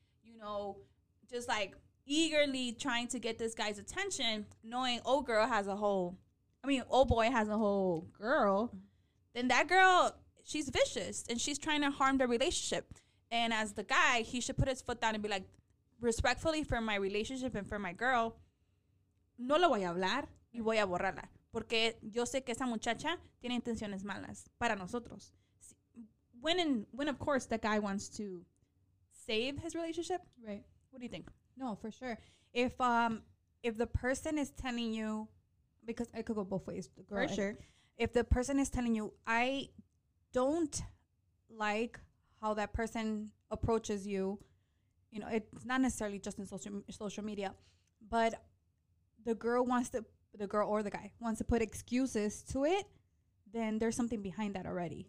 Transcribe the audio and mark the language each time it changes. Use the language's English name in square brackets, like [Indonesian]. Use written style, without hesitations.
[English] You know, just, like, eagerly trying to get this guy's attention, knowing old boy has a whole girl, then that girl, she's vicious and she's trying to harm the relationship. And as the guy, he should put his foot down and be like, respectfully for my relationship and for my girl, [Spanish] no lo voy a hablar y voy a borrarla. Porque yo sé que esa muchacha tiene intenciones malas para nosotros. [English] When of course, the guy wants to save his relationship. Right. What do you think? No, for sure. If the person is telling you, because I could go both ways. Girl, for sure. If the person is telling you, I don't like how that person approaches you, you know, it's not necessarily just in social media, but the girl or the guy wants to put excuses to it, then there's something behind that already.